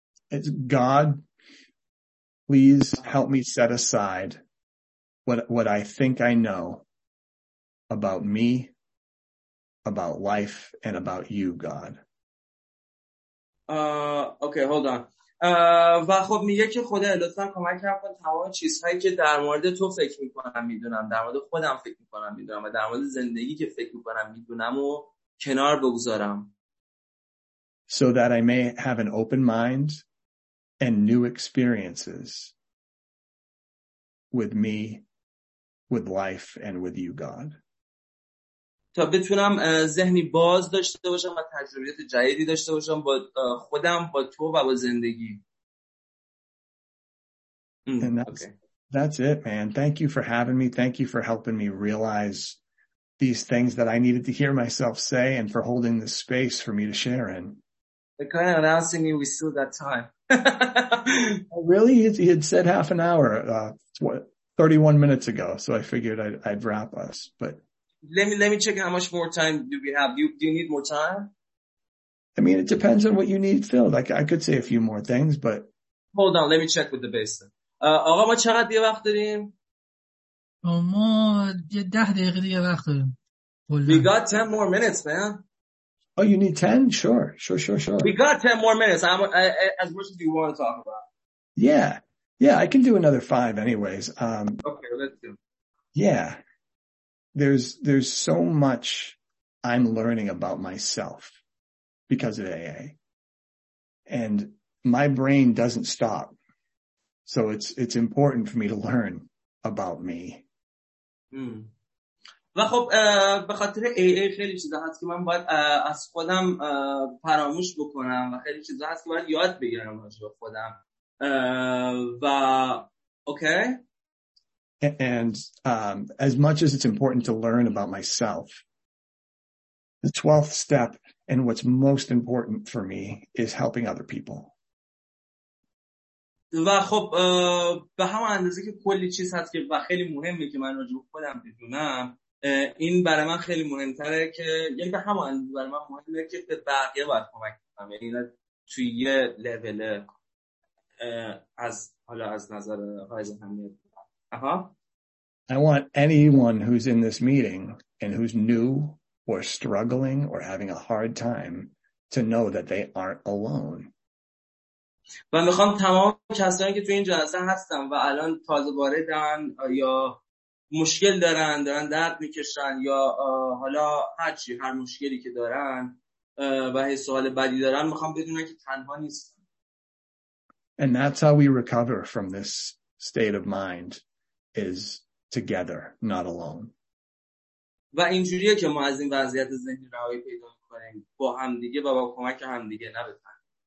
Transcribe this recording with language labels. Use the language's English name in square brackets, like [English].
[English] It's God, please help me set aside what I think I know about me, about life, and about you, God. Okay, hold on. [Persian] و خب میگه که خدا لطفاً کمک کن تمام چیزهایی که در مورد تو فکر میکنم میدونم، در مورد خودم فکر میکنم میدونم و در مورد زندگی که فکر میکنم میدونم و کنار بگذارم. [English] So that I may have an open mind and new experiences with me, with life, and with you, God. [Persian] تا بتونم ذهنی باز داشته باشم و تجربیات جدیدی داشته باشم با خودم، با تو و با زندگی. [English] That's it, man. Thank you for having me. Thank you for helping me realize these things that I needed to hear myself say and for holding the space for me to share in. They're kind of announcing me we still got time. Really? He had said half an hour, 31 minutes ago, so I figured I'd wrap us. But let me check how much more time do we have. Do you need more time? I mean, it depends on what you need filled. Like, I could say a few more things, but hold on, let me check with the base. [Persian] آقا ما چقدر دیگه وقت داریم؟ ما 10 دقیقه دیگه وقت داریم. [English] We got 10 more minutes, man. Oh, you need 10? Sure. We got 10 more minutes. As much as you want to talk about. Yeah, I can do another 5 anyways. Okay, let's do. Yeah. There's so much I'm learning about myself because of AA. And my brain doesn't stop. So it's important for me to learn about me. [Persian] و خب به خاطر AA خیلی چیزا هست که من باید از خودم فراموش بکنم و خیلی چیزا هست که باید یاد بگیرم راجع به خودم. و اوکی. [English] And as much as it's important to learn about myself, the 12th step and what's most important for me is helping other people. [Persian] و خب به همون اندازه که کلی چیز هست که خیلی مهمه که من راجع به خودم بدونم، این برای من خیلی مهمتره که یعنی به همون اندازه برای من مهمه که به بقیه باید کمک کنم، یعنی توی یه لول از حالا از نظر حائز اهمیت. آها. [English] I want anyone who's in this meeting and who's new or struggling or having a hard time to know that they aren't alone. [Persian] و میخوام تمام کسانی که توی این جلسه هستن و الان تازه واردن یا مشکل دارن درد میکشن یا حالا هرچی هر مشکلی که دارن و هی سوال بدی دارن، میخوام بدونن که تنها نیستن. [English] And that's how we recover from this state of mind is together, not alone. [Persian] و اینجوریه که ما از این وضعیت ذهنی رهایی پیدا میکنیم با هم دیگه و با کمک هم دیگه، نه به تنهایی.